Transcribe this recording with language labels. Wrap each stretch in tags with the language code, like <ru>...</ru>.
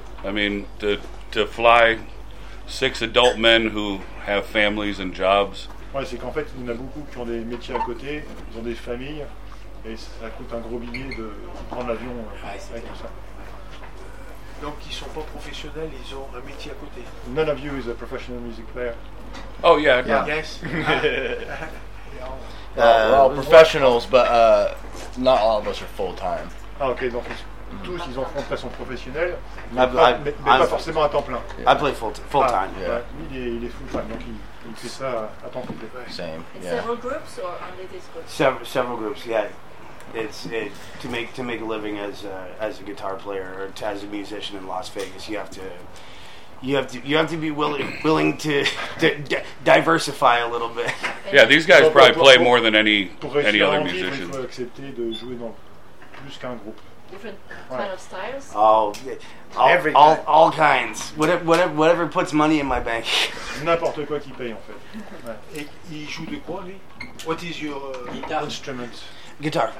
<en>I mean, to fly six adult men who have families and jobs.</en> <fr>Ouais, c'est qu'en fait, il y en a beaucoup qui ont des métiers à côté, ils ont des familles, et ça coûte un gros billet de prendre l'avion avec tout ça. Donc, ils sont pas professionnels, ils ont un métier à côté.</fr> <en>None of you is a professional music player. Oh yeah, yes. We're all professionals, but not all of us are full time.</en> <fr>Ah, okay, donc tous ils ont fait façon professionnelle, mais pas forcément à temps plein.</fr> <en>Yeah. I play full time. Yeah.</en> <fr>Lui, il est full time, donc il fait ça à temps complet.</fr> <en>Same. Yeah. Several groups or only this group? Several groups. Yeah, it's to make a living as a guitar player or as a musician in Las Vegas, you have to. You have to be willing to diversify a little bit. Yeah, these guys probably play more than any other musician.</en> <fr>Il faut accepter de jouer dans plus qu'un groupe.</fr> <en>Different kind of styles. All kinds. Whatever puts money in my bank.</en> <fr>N'importe quoi qui paye en fait. Et il joue de quoi lui?</fr> <en>What is your guitar instrument? Guitar.</en>